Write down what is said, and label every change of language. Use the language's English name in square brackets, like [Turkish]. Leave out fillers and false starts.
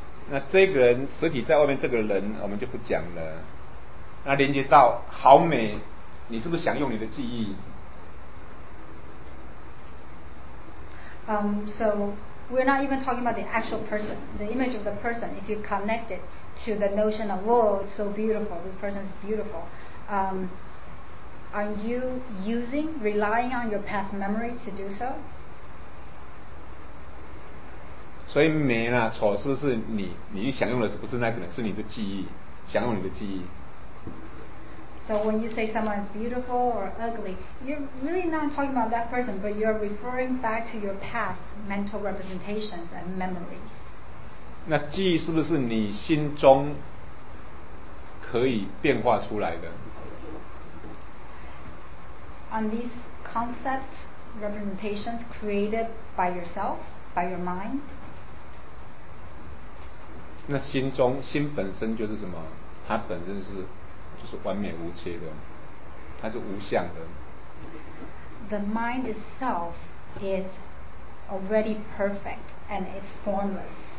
[Chinese] 那这个人实体在外面这个人我们就不讲了，那连接到好美，你是不是想用你的记忆？ [English] So we're not even talking about the actual person, the image of the person. If you connect it to the notion of, whoa, it's so beautiful, this person is beautiful, are you relying on your past memory to do so? [Chinese] 所以美啦丑是不是你想用的是不是那个人，是你的记忆，想用你的记忆。 [English] So when you say someone is beautiful or ugly, you're really not talking about that person, but you're referring back to your past mental representations and memories. [Chinese] 那记忆是不是你心中可以变化出来的？ [English] On these concepts, representations created by yourself, by your mind. [Chinese] 那心中心本身就是什么？它本身就是完美无缺的，它是无相的。 [English] The mind itself is already perfect and it's formless.